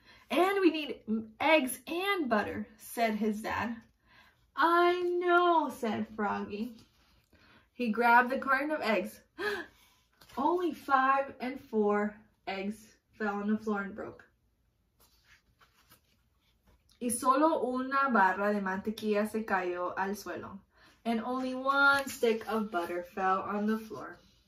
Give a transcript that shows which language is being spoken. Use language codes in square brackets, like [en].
[en] And we need eggs and butter, said his dad. I know, said Froggy. He grabbed the carton of eggs. Only 5 and 4 eggs fell on the floor and broke. [es] Y solo una barra de mantequilla se cayó al suelo. [en] And only 1 stick of butter fell on the floor.